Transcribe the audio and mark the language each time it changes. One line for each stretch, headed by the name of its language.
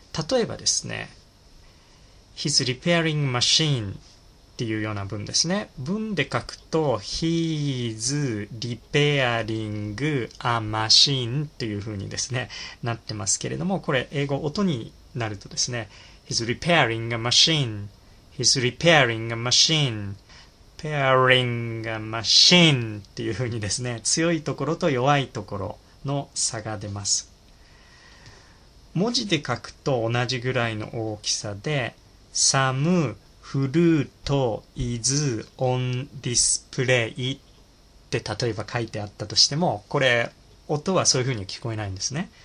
Japanese: 例えばですね、
English: He's repairing machine
Japanese: っていうような文ですね。文で書くと、
English: He's repairing a machine
Japanese: っていうふうにですね、なってますけれども、これ英語音になるとですね、
English: He's repairing a machine. He's repairing a machine. Pairing a machine
Japanese: っていうふうにですね、強いところと弱いところの差が出ます。文字で書くと同じぐらいの大きさで、
English: サムフルートイズオンディスプレイ
Japanese: って例えば書いてあったとしても、これ音はそういうふうに聞こえないんですね。